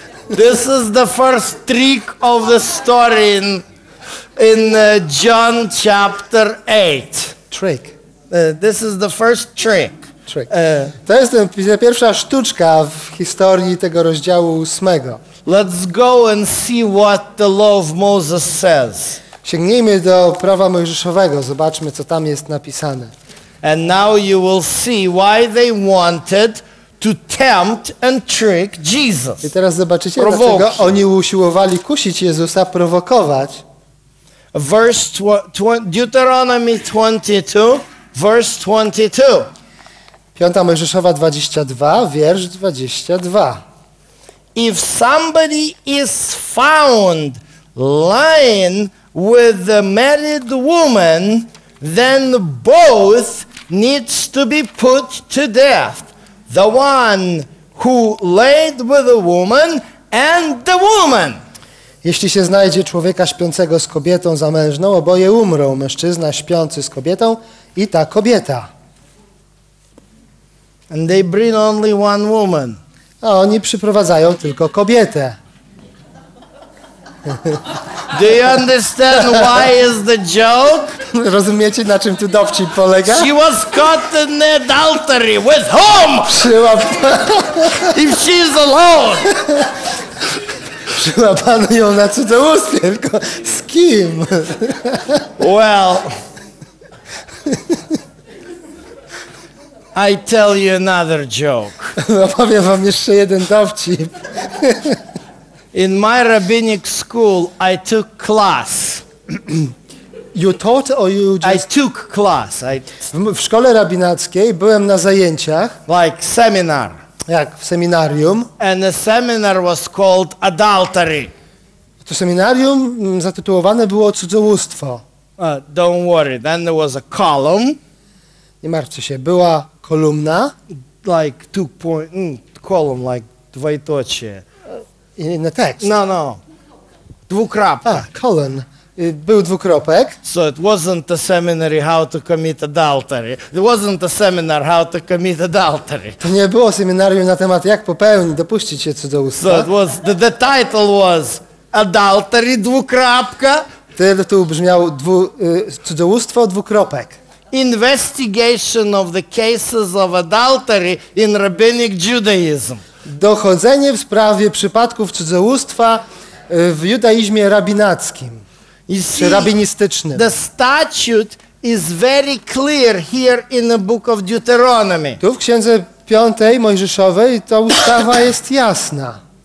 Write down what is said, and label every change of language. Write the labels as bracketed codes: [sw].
[en] This is the first trick of the story in John chapter 8. Trick. This is the first trick. Trick. [pl] To jest ta pierwsza sztuczka w historii tego rozdziału 8. [en] Let's go and see what the law of Moses says. [pl] Sięgnijmy do prawa Mojżeszowego, zobaczmy co tam jest napisane. [en] And now you will see why they wanted to tempt and trick Jesus. [pl] I teraz zobaczycie, dlaczego oni usiłowali kusić Jezusa, prowokować. [en] Verse Deuteronomy 22, verse 22. [pl] Piąta Mojżeszowa 22, wiersz 22. [en] If somebody is found lying with a married woman, then both needs to be put to death. The one who laid with the woman and the woman. [pl] Jeśli się znajdzie człowieka śpiącego z kobietą zamężną, oboje umrą. Mężczyzna śpiący z kobietą i ta kobieta. [en] And they bring only one woman. [pl] A oni przyprowadzają tylko kobietę. [en] Do you understand why is the joke? [pl] Rozumiecie, na czym tu dowcip polega? [en] She was caught in adultery with whom? If she is alone. [pl] Przyłapano ją na cudzołóstwie, tylko z kim? [en] Well, I tell you another joke. [pl] No, powiem wam jeszcze jeden dowcip. [en] In my rabbinic school, I took class. You taught or you just... I took class. [pl] W szkole rabinackiej byłem na zajęciach. [en] Like seminar. [pl] Jak w seminarium. [en] And the seminar was called adultery. [pl] To seminarium zatytułowane było cudzołóstwo. [en] Don't worry, then there was a column. [pl] Nie martwcie się, była kolumna. [en] Like two point, column, like dwoitocie. In the text. [pl] No. Dwukropka. [en] Ah, colon. [pl] Był dwukropek. [en] So it wasn't a seminary how to commit adultery. It wasn't a seminar how to commit adultery. [pl] To nie było seminarium na temat jak popełnić, dopuścić się cudzołóstwa. [en] So it was, the title was adultery dwukropka. [pl] Tytuł brzmiał cudzołóstwo dwukropek. [en] Investigation of the cases of adultery in rabbinic Judaism. [pl] Dochodzenie w sprawie przypadków cudzołóstwa w judaizmie rabinackim, czy rabinistycznym. [en] The statute is very clear here in the book of Deuteronomy. [pl] Tu w księdze piątej Mojżeszowej ta ustawa jest jasna.